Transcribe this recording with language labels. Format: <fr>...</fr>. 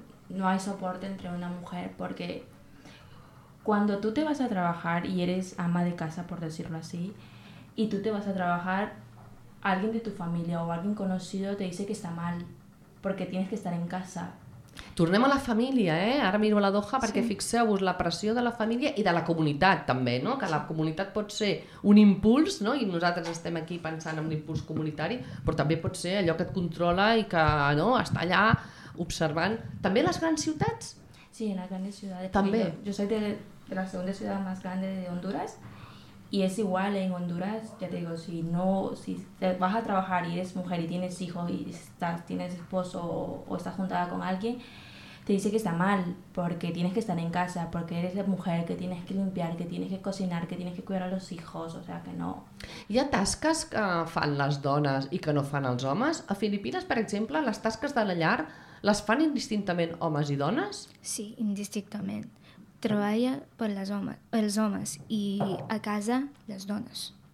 <es>No hay soporte entre una mujer, porque cuando tú te vas a trabajar y eres ama de casa, por decirlo así, y tú te vas a trabajar, alguien de tu familia o alguien conocido te dice que está mal, porque tienes que estar en casa.</es> <ca>Tornem a la família, eh? Ara miro a la Doha perquè sí. Fixeu-vos la pressió de la família i de la comunitat també, no? Que la comunitat pot ser un impuls, no? I nosaltres estem aquí pensant en un impuls comunitari, però també pot ser allò que et controla i que, no, està allà observant. També les grans ciutats? Sí, en les grans ciutats. També.</ca> <es>Jo soy de la segunda ciudad más grande de Honduras y es igual en Honduras, ya te digo, si te vas a trabajar y eres mujer y tienes hijos y tienes esposo o estás juntada con alguien, te dice que está mal porque tienes que estar en casa, porque eres la mujer que tienes que limpiar, que tienes que cocinar, que tienes que cuidar a los hijos, o sea que no.</es> <ca>Hi ha tasques que fan les dones i que no fan els homes? A Filipines, per exemple, les tasques de la llar les fan indistintament homes i dones? Sí, indistintament. Treballa per els homes i a casa les dones.</ca>